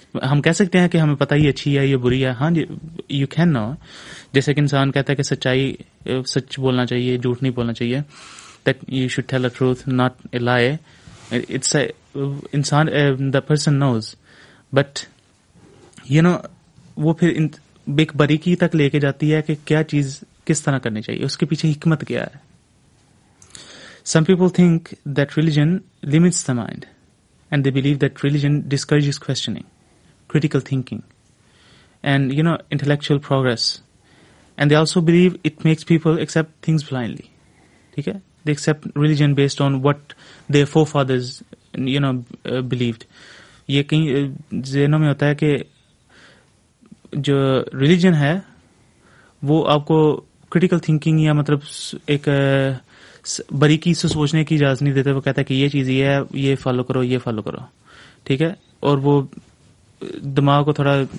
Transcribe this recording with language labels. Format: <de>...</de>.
<ur>ہم کہہ سکتے ہیں کہ ہمیں پتہ ہی اچھی ہے یہ بری ہے. ہاں جی,</ur> <en>you can know,</en> <ur>جیسے کہ انسان کہتا ہے کہ سچائی سچ بولنا چاہیے, جھوٹ نہیں بولنا چاہیے,</ur> <en>That you should tell a truth not a lie.</en> <ur>اٹس اے انسان,</ur> <en>the person knows, but you know</en> <ur>وہ پھر ایک باریکی تک لے کے جاتی ہے کہ کیا چیز کس طرح کرنی چاہیے, اس کے پیچھے حکمت کیا ہے.</ur> <en>Some people think that religion limits the mind and they believe that religion discourages questioning, critical thinking and, you know, intellectual progress. And they also believe it makes people accept things blindly. Okay? They accept religion based on what their forefathers, you know, believed.</en> <ur>یہ کہیں ذہنوں میں ہوتا ہے کہ جو religion ہے وہ آپ کو کریٹیکل تھنکنگ یا مطلب ایک باریکی سے سوچنے کی اجازت نہیں دیتے. وہ کہتا ہے کہ یہ چیز یہ ہے, یہ فالو کرو, یہ فالو کرو, ٹھیک ہے, اور وہ دماغ کو تھوڑا</ur>